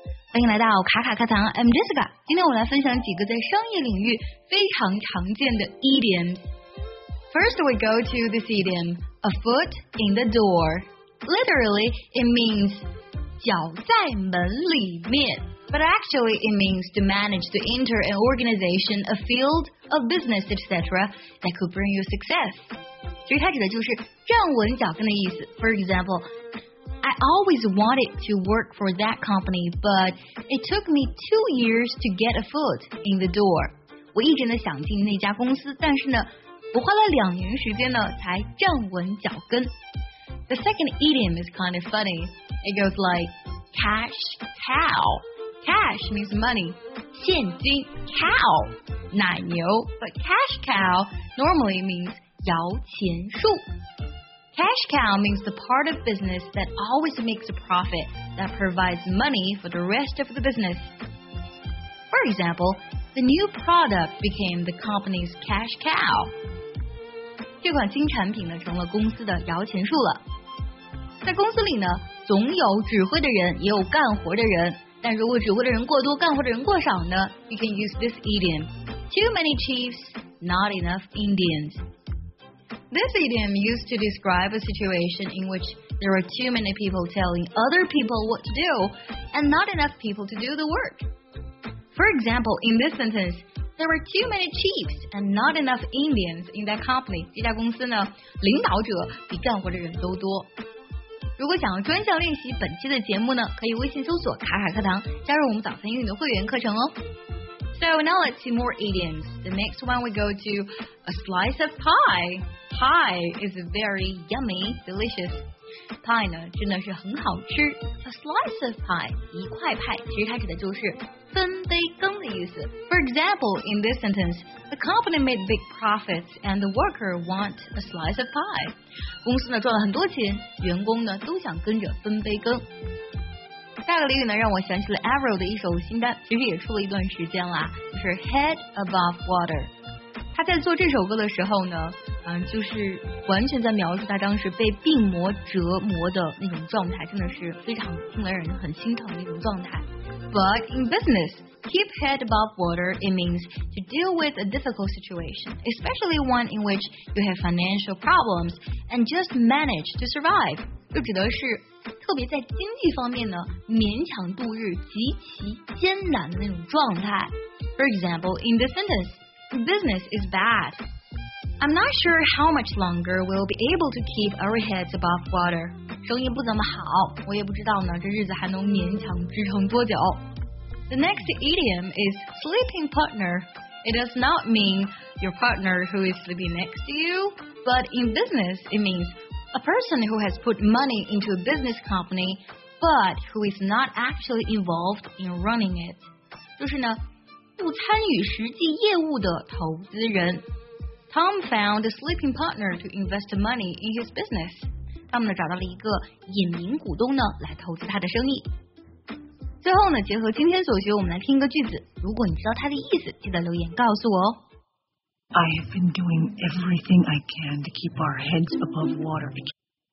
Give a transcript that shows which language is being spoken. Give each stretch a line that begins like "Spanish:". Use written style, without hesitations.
Chinese: 欢迎来到卡卡课堂 ，
English: I'm Jessica。
Chinese: 今天我来分享几个在商业领域非常常见的 idioms。
English: First, we go to this idiom, a foot in the door. Literally, it means
Chinese: 脚在门里面。
English: But actually, it means to manage to enter an organization, a field, a business, etc. that could bring you success.
Chinese: 所以它指的就是站稳脚跟的意思。
English: For example,I always wanted to work for that company, but it took me 2 years to get a foot in the door.
Chinese: 我一直呢想进那家公司，但是呢，我花了两年时间呢才站稳脚跟。
English: The second idiom is kind of funny. It goes like cash cow. Cash means money.
Chinese: 现金
English: cow
Chinese: 奶牛
English: but cash cow normally means
Chinese: 摇钱树。
English: Cash cow means the part of business that always makes a profit that provides money for the rest of the business. For example, the new product became the company's cash cow.
Chinese: 这款新产品呢成了公司的摇钱树了。在公司里呢，总有指挥的人，也有干活的人。但如果指挥的人过多，干活的人过少呢
English: ？You can use this idiom: Too many chiefs, not enough Indians. This idiom used to describe a situation in which there are too many people telling other people what to do and not enough people to do the work. For example, in this sentence, there are too many chiefs and not enough Indians in that company.
Chinese: 这家公司呢，领导者比干活的人都多。如果想要专项练习本期的节目呢，可以微信搜索卡卡课堂，加入我们早餐英语的会员课程哦。
English: So now let's see more idioms. The next one we go to a slice of pie. Pie is very yummy, delicious.
Chinese: Pie 呢真的是很好吃。
English: A slice of pie,
Chinese: 一块派其实它指的就是分杯羹的意思。
English: For example, in this sentence, the company made big profits and the worker want a slice of pie.
Chinese: 公司呢赚了很多钱，员工呢都想跟着分杯羹。下个俚语呢，让我想起了 Avril 的一首新单，其实也出了一段时间啦，就是
English: Head Above Water。
Chinese: 他在做这首歌的时候呢，就是完全在描述他当时被病魔折磨的那种状态，真的是非常令人很心疼的一种状态。
English: But in business, keep head above water. It means to deal with a difficult situation, especially one in which you have financial problems, and just manage to survive.
Chinese: 就指的是。特别在经济方面呢，勉强度日极其艰难的那种状态。
English: For example, in this sentence, business is bad. I'm not sure how much longer we'll be able to keep our heads above water.
Chinese: 生意不怎么好，我也不知道呢，这日子还能勉强支撑多久。
English: The next idiom is sleeping partner. It does not mean your partner who is sleeping next to you, but in business, it means. A person who has put money into a business company, but who is not actually involved in running it.
Chinese: 就是呢，不参与实际业务的投资人。
English: Tom found a sleeping partner to invest money in his business.
Chinese: 他们呢找到了一个隐名股东呢来投资他的生意。最后呢，结合今天所学，我们来听一个句子。如果你知道它的意思，记得留言告诉我哦。
English: I have been doing everything I can to keep our heads above water.